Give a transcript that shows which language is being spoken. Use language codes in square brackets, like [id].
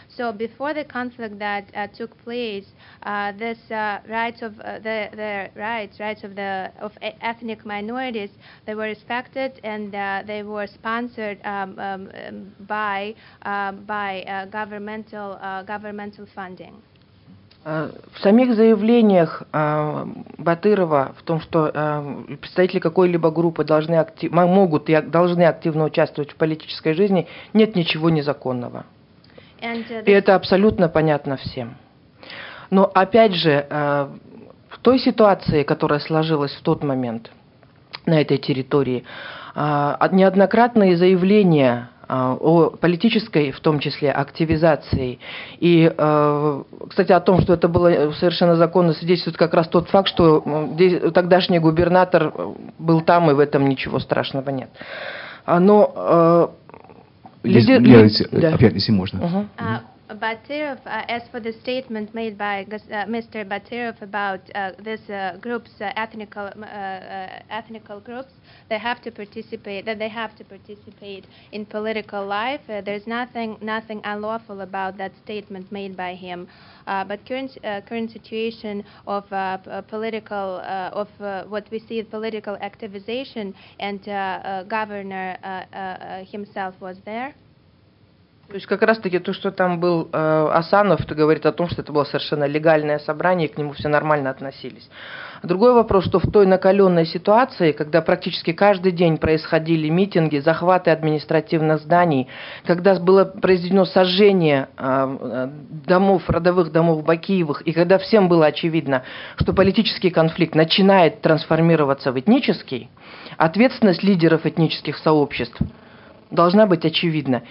[en] So before the conflict that took place, rights of ethnic minorities, they were respected and they were sponsored by governmental funding. [ru] В самих заявлениях Батырова в том, что представители какой-либо группы должны активно участвовать в политической жизни, нет ничего незаконного. И это абсолютно понятно всем. Но опять же, в той ситуации, которая сложилась в тот момент на этой территории, неоднократные заявления о политической, в том числе, активизации. И, кстати, о том, что это было совершенно законно, свидетельствует как раз тот факт, что тогдашний губернатор был там, и в этом ничего страшного нет. Но если можно. [en] Batyrov, as for the statement made by Mr. Batyrov about these ethnic groups, they have to participate in political life. There's nothing unlawful about that statement made by him. But current situation of political activization and governor himself was there. [ru] То есть как раз-таки то, что там был Асанов, это говорит о том, что это было совершенно легальное собрание, и к нему все нормально относились. Другой вопрос, что в той накаленной ситуации, когда практически каждый день происходили митинги, захваты административных зданий, когда было произведено сожжение родовых домов Бакиевых, и когда всем было очевидно, что политический конфликт начинает трансформироваться в этнический, ответственность лидеров этнических сообществ должна быть очевидна.